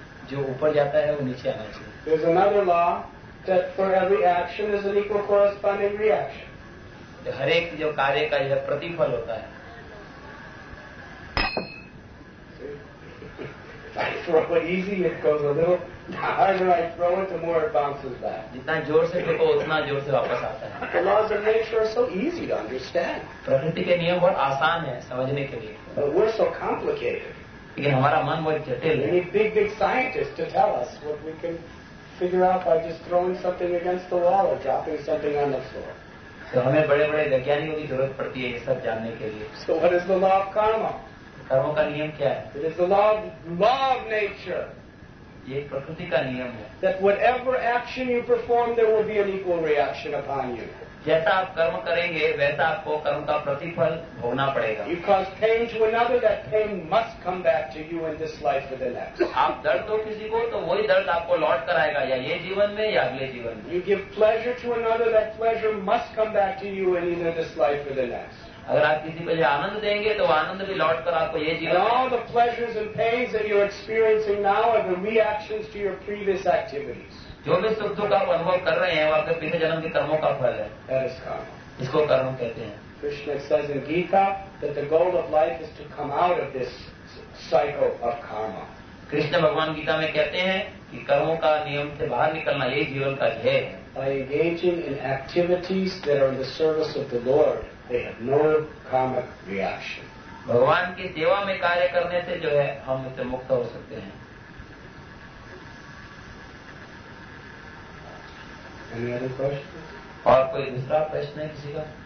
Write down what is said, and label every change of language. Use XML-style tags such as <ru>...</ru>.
<hi>जो ऊपर जाता है वो नीचे आना चाहिए.</hi> <en>There's another law. That for every action is an equal corresponding reaction.</en> <hi>जो हर एक जो कार्य का यह प्रतिफल होता है.</hi> <en>I throw it easy, it goes a little harder. I throw it, the more it bounces back.</en> <hi>जितना जोर से फेंको उतना जोर से वापस आता है.</hi> <en>The laws of nature are so easy to understand.</en> <hi>प्रकृति के नियम बहुत आसान है समझने के लिए.</hi> <en>But we're so complicated.</en> <hi>लेकिन हमारा मन बहुत जटिल है.</hi> <en>We need big scientists to tell us what we can. Figure out by just throwing something against the wall or dropping something on the floor.</en> <hi>So हमें बड़े-बड़े वैज्ञानिकों की जरूरत पड़ती है ये सब जानने के लिए.</hi> <en>So what is the law of karma?</en> <hi>कर्मों का नियम क्या है?</hi> <en>It is the law of nature.</en> <hi>ये प्रकृति का नियम है.</hi> <en>That whatever action you perform, there will be an equal reaction upon you.</en> <hi>जैसा आप कर्म करेंगे, वैसा आपको कर्म का प्रतिफल भोगना पड़ेगा.</hi> <en>You cause pain to another, that pain must come back to you in this life or the next.</en> <hi>आप दर्द दो किसी को, तो वही दर्द आपको लौट कर आएगा, या ये जीवन में या अगले जीवन में.</hi> <en>You give pleasure to another, that pleasure must come back to you in either this life or the next.</en> <hi>अगर आप किसी को आनंद देंगे, तो आनंद भी लौट कर आपको ये जीवन.</hi> <en>And all the pleasures and pains that you're experiencing now are the reactions to your previous activities.</en> <hi>जो भी सुख दुख आप अनुभव कर रहे हैं वो आपके पिछले जन्म के कर्मों का फल है. इसको कर्म कहते हैं.</hi> <en>Krishna says in Gita that the goal of life is to come out of this cycle of karma.</en> <hi>Krishna भगवान गीता में कहते हैं कि कर्मों का नियम से बाहर निकलना यही जीवन का ध्येय है.</hi> <en>By engaging in activities that are in the service of the Lord, they have no karmic reaction.</en> <hi>भगवान की सेवा में कार्य करने से जो है हम इससे मुक्त हो सकते हैं.</hi> <en>Any other questions?</en> <hi>और कोई दूसरा प्रश्न है किसी का?</hi>